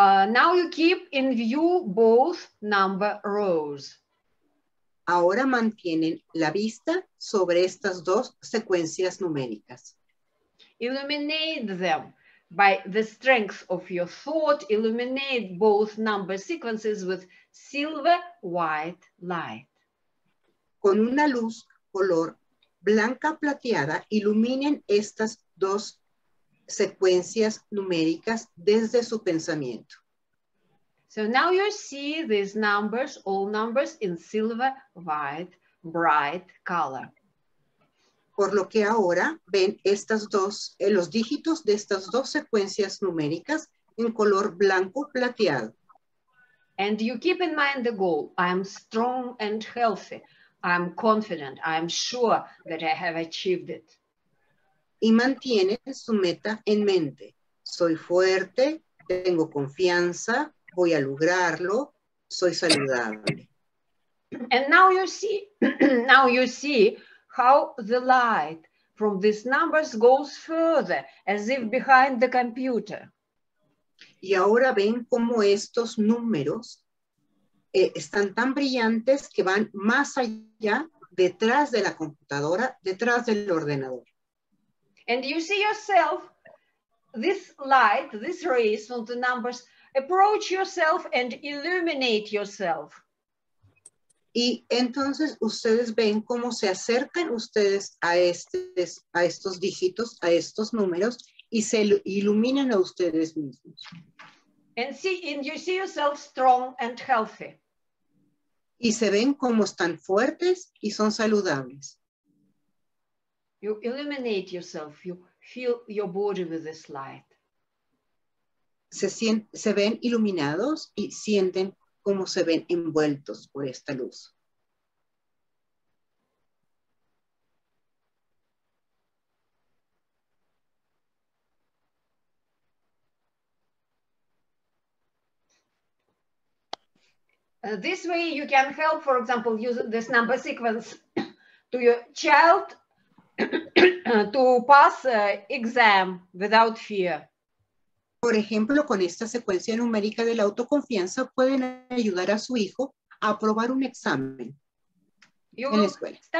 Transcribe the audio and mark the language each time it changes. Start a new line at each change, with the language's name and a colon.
English: Now you keep in view both number rows.
Spanish: Ahora mantienen la vista sobre estas dos secuencias numéricas.
English: Illuminate them by the strength of your thought. Illuminate both number sequences with silver white light.
Spanish: Con una luz color blanca plateada, iluminen estas dos secuencias numéricas desde su pensamiento.
English: So now you see these numbers, all numbers in silver, white, bright color.
Spanish: Por lo que ahora ven estas dos, los dígitos de estas dos secuencias numéricas en color blanco plateado.
English: And you keep in mind the goal. I am strong and healthy. I am confident. I am sure that I have achieved it.
Spanish: Y mantiene su meta en mente. Soy fuerte, tengo confianza. Voy a lograrlo, soy saludable.
English: And now you see how the light from these numbers goes further, as if behind the computer.
Spanish: Y ahora ven cómo estos números están tan brillantes que van más allá, detrás de la computadora, detrás del ordenador.
English: And you see yourself, this light, this rays from the numbers, approach yourself and illuminate yourself.
Spanish: Y entonces ustedes ven cómo se acercan ustedes a estos dígitos, a estos números, y se iluminan a ustedes mismos.
English: And you see yourself strong and healthy.
Spanish: Y se ven cómo están fuertes y son saludables.
English: You illuminate yourself, you feel your body with this light.
Spanish: Se ven iluminados y sienten cómo se ven envueltos por esta luz.
English: This way you can help, for example, using this number sequence to your child to pass exam without fear.
Spanish: Por ejemplo, con esta secuencia numérica de la autoconfianza pueden ayudar a su hijo a aprobar un examen en la escuela.